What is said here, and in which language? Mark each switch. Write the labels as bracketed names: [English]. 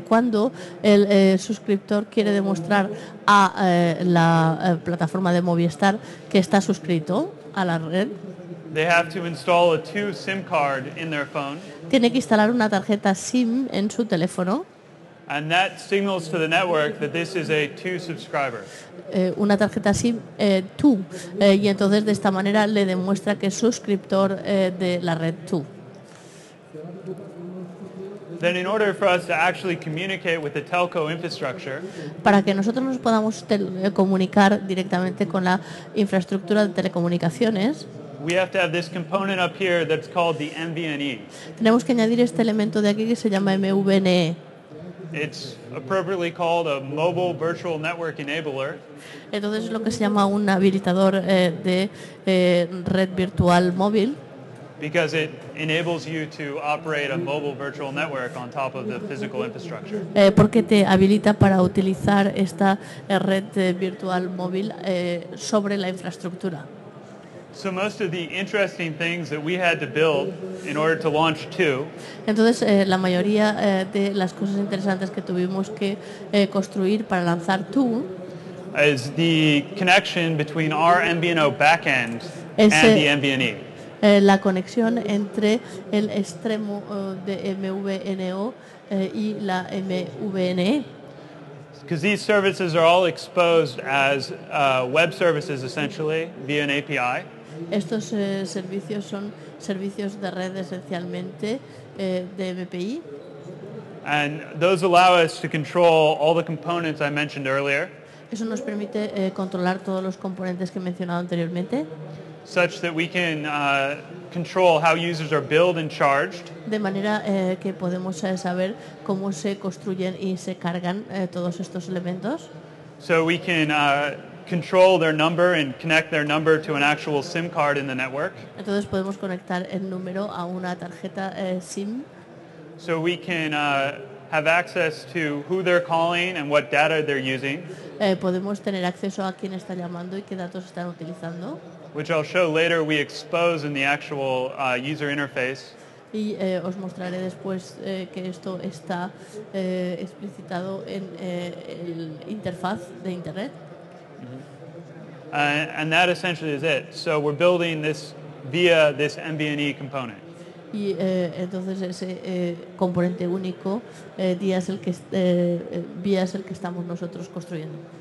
[Spanish] Cuando el suscriptor quiere demostrar a la plataforma de Movistar que está suscrito a la red. [English] They have to install a two SIM card in their phone. [Spanish] Tiene que instalar una tarjeta SIM en su teléfono. [English] And that signals to the network that this is a two subscriber. [Spanish] Una tarjeta SIM two. Y entonces de esta manera le demuestra que es suscriptor de la red two. [English] Then in order for us to actually communicate with the telco infrastructure. [Spanish] Para que nosotros nos podamos comunicar directamente con la infraestructura de telecomunicaciones. [English] We have to have this component up here that's called the MVNE. [Spanish] Tenemos que añadir este elemento de aquí que se llama MVNE. [English] It's appropriately called a mobile virtual network enabler. [Spanish] Entonces es lo que se llama un habilitador de red virtual móvil. [English] Because it enables you to operate a mobile virtual network on top of the physical infrastructure. [Spanish] Porque te habilita para utilizar esta red virtual móvil sobre la infraestructura. [English] So most of the interesting things that we had to build in order to launch two. [Spanish] Entonces la mayoría de las cosas interesantes que tuvimos que construir para lanzar two. [English] Is the connection between our MVNO backend and the MVNE. [Spanish] La conexión entre el extremo de MVNO y la MVNE. [English] Because these services are all exposed as web services essentially via an API. [Spanish] Estos servicios son servicios de red esencialmente de MPI. [English] And those allow us to control all the components I mentioned earlier. [Spanish] Eso nos permite controlar todos los componentes que he mencionado anteriormente. [English] Such that we can control how users are billed and charged. [Spanish] De manera que podemos saber cómo se construyen y se cargan todos estos elementos. [English] So we can control their number and connect their number to an actual SIM card in the network. [Spanish] Entonces podemos conectar el número a una tarjeta SIM. [English] So we can have access to who they're calling and what data they're using. [Spanish] Podemos tener acceso a quién está llamando y qué datos están utilizando. [English] Which I'll show later we expose in the actual user interface. [Spanish] Y os mostraré después que esto está explicitado en el interfaz de internet. [English] Mm-hmm. And that essentially is it. So we're building this via this MVNE component. [Spanish] Y entonces ese componente único vía es el que estamos nosotros construyendo.